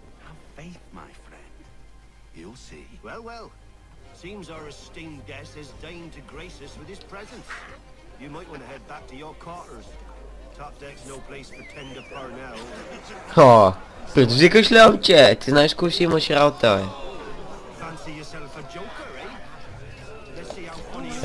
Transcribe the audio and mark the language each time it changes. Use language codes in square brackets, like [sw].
[en] Have faith, my friend. You'll see. Well, well. Seems our esteemed guest has deigned to grace us with his presence. You might want to head back to your quarters. Top deck's no place for tender Parnell. [bg] Oh, предизвикаш ли, обче? Ти знаеш кой си имаш работа, бе? [en] Fancy yourself a joker, eh? Let's see how funny you are.